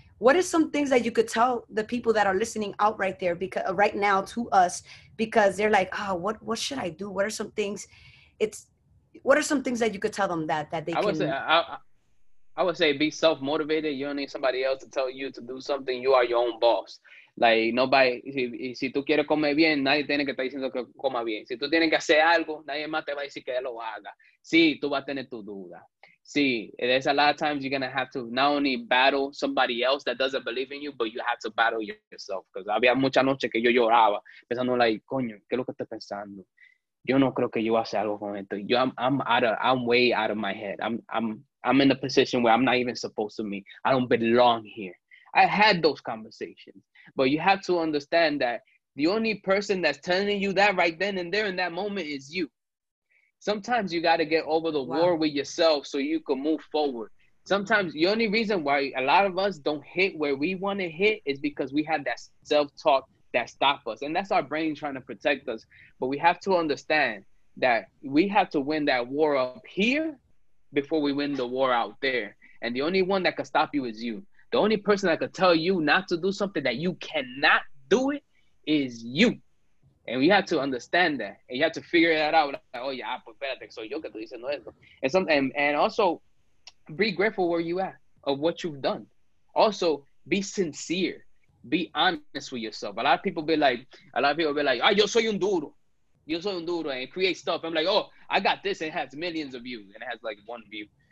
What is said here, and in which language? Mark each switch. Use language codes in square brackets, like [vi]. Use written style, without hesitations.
[en] What are some things that you could tell the people that are listening out right there, because right now to us, because they're like, oh, what should I do? What are some things? What are some things that you could tell them that they can? I would say be self motivated. You don't need somebody else to tell you to do something. You are your own boss. Like nobody. [es] Si tú quieres comer bien, nadie tiene que estar diciendo que coma bien. Si tú tienes que hacer algo, nadie más te va a decir que lo haga. Sí, tú vas a tener tu duda. [en] See, there's a lot of times you're going to have to not only battle somebody else that doesn't believe in you, but you have to battle yourself. Because [es] había muchas noches que yo lloraba, pensando [en] like, [es] coño, ¿qué es lo que estoy pensando? Yo no creo que yo hace algo con esto. [en] I'm way out of my head. I'm in a position where I'm not even supposed to be. I don't belong here. I had those conversations. But you have to understand that the only person that's telling you that right then and there in that moment is you. Sometimes you got to get over the war with yourself so you can move forward. Sometimes the only reason why a lot of us don't hit where we want to hit is because we have that self-talk that stops us. And that's our brain trying to protect us. But we have to understand that we have to win that war up here before we win the war out there. And the only one that can stop you is you. The only person that can tell you not to do something that you cannot do it is you. And we have to understand that. And you have to figure that out. Like, oh, yeah, [es] pues espérate, soy yo que estoy diciendo eso. [en] And also, be grateful where you at, of what you've done. Also, be sincere. Be honest with yourself. A lot of people be like, [es] ah, yo soy un duro. Yo soy un duro. [en] And create stuff. I'm like, oh, I got this. And it has millions of views. And it has, like, one view.